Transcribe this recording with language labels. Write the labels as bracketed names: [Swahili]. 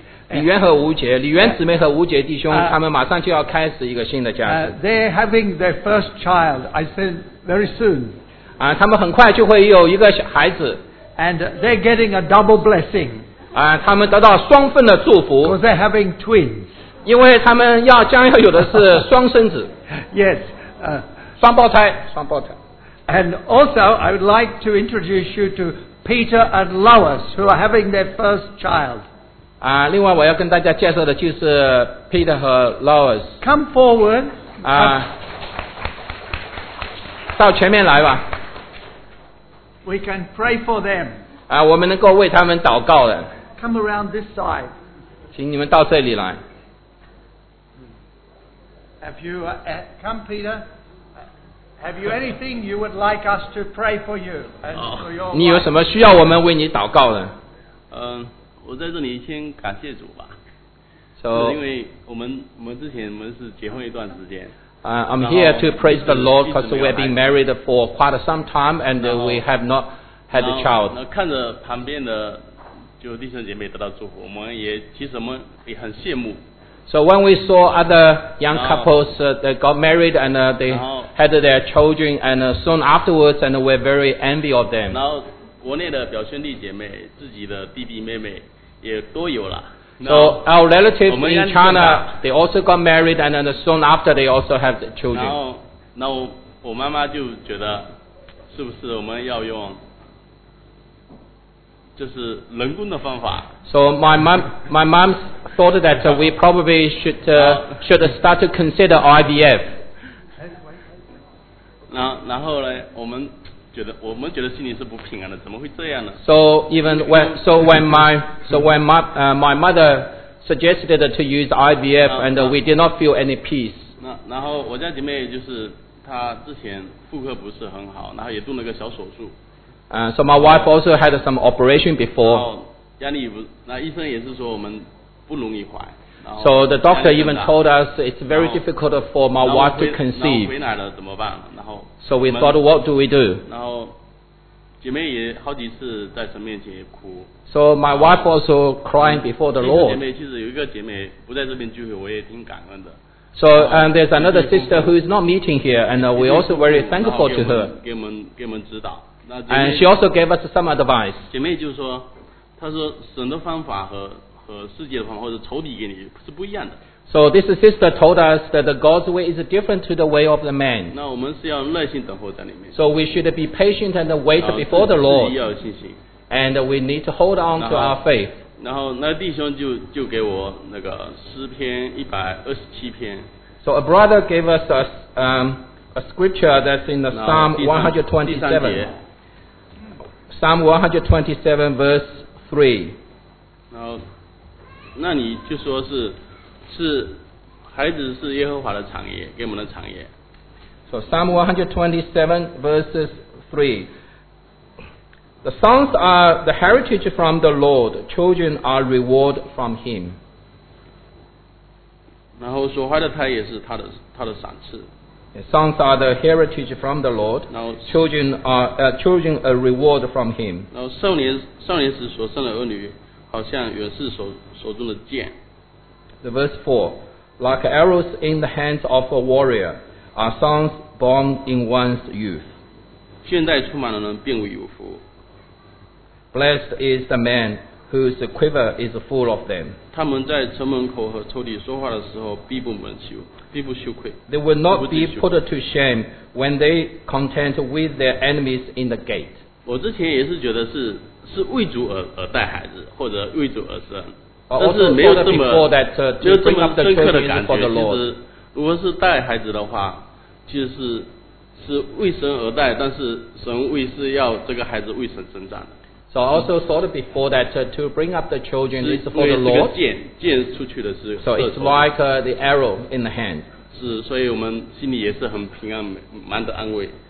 [Chinese] 李元和吴杰，李元姊妹和吴杰弟兄，他们马上就要开始一个新的家庭。 [English] They're having their first child, I said, very soon. [Chinese] 他们很快就会有一个小孩子。 [English] And they're getting a double blessing. [Chinese] 他们得到双份的祝福。 [English] Because they're having twins. [Chinese] 因为他们将要有的是双生子。 [English] Yes. [Chinese] 双胞胎，双胞胎。 [English] And also, I would like to introduce you to Peter and Lois, who are having their first child. [Chinese] 另外我要跟大家介绍的就是 Peter 和 Lois。 [English] Come forward. [Chinese] 到前面来吧。 [English] We can pray for them. [Chinese] 我们能够为他们祷告的。 [English] Come around this side. 请你们到这里来。 Come, Peter. Have you anything you would like us to pray for you and for your? [Chinese] 你有什么需要我们为你祷告的？我在这里先感谢主吧。 [English] So, [Chinese] 因为我们之前我们是结婚一段时间。 [English] I'm here to praise the Lord because we've been married for quite some time and we have not had a child. [Chinese] 看着旁边的就弟兄姐妹得到祝福，我们也其实我们也很羡慕。 [English] So when we saw other young couples that got married and they had their children and soon afterwards and we're very envy of them. [Chinese] 国内的表兄弟姐妹，自己的弟弟妹妹也都有了。 [English] So our relatives in China, they also got married, and then soon after they also have the children. [Chinese] 那我妈妈就觉得，是不是我们要用，就是人工的方法 [English] ？So my mom thought that we probably should start to consider IVF. [Chinese] 然后呢，我们觉得心里是不平衡的，怎么会这样呢 [English] ？So even when my mother suggested to use IVF and we did not feel any peace. [Chinese] 然后我家姐妹就是她之前妇科不是很好，然后也动了个小手术。 [English] So my wife also had some operation before. [Chinese] 压力不，那医生也是说我们不容易怀。 [English] So the doctor even told us it's very difficult for my wife to conceive. [Chinese] 回来了怎么办？ [English] So we thought, what do we do? [Chinese] 然后姐妹也好几次在神面前哭。 [English] So my wife also crying before the Lord. [Chinese] 姐妹其实有一个姐妹不在这边聚会，我也挺感恩的。 [English] So there's another sister who is not meeting here, and we also very thankful to her. [Chinese] 给我们指导。 [English] And she also gave us some advice. [Chinese] 姐妹就说，她说神的方法和世界的方法或者仇敌给你是不一样的。 [English] So this sister told us that the God's way is different to the way of the man. [Chinese] 那我们是要耐心等候在里面。 [English] So we should be patient and wait before the Lord. [Chinese] 自己要有信心。 [English] And we need to hold on to our faith. [Chinese] 然后那弟兄就给我那个诗篇127篇。 [English] So a brother gave us a scripture that's in the Psalm 127. Psalm 127 verse 3. [Chinese] 然后那你就说是孩子是耶和华的产业，给我们的产业。 [English] So Psalm 127 verses 3. The sons are the heritage from the Lord, children are reward from him. [Chinese] 然后所怀的胎也是他的赏赐。 [English] Sons are the heritage from the Lord, children a reward from him. [Chinese] 然后少年时所生的儿女，好像原是手中的剑。 [English] The verse 4, like arrows in the hands of a warrior, are sons born in one's youth. [Chinese] 现在充满的人便为有福。 [English] Blessed is the man whose quiver is full of them. [Chinese] 他们在城门口和仇敌说话的时候必不蒙羞，必不羞愧。 [English] They will not be put to shame when they contend with their enemies in the gate. [Chinese] 我之前也是觉得是为主而带孩子，或者为主而生。但是没有这么深刻的感觉。其实，如果是带孩子的话，其实是为神而带，但是神为是要这个孩子为神成长的。 [English] So I also thought before that to bring up the children is for the Lord. [Chinese] 箭出去的是, [English] so it's like the arrow in the hand. [Chinese] 是, 所以我们心里也是很平安, 蛮得安慰,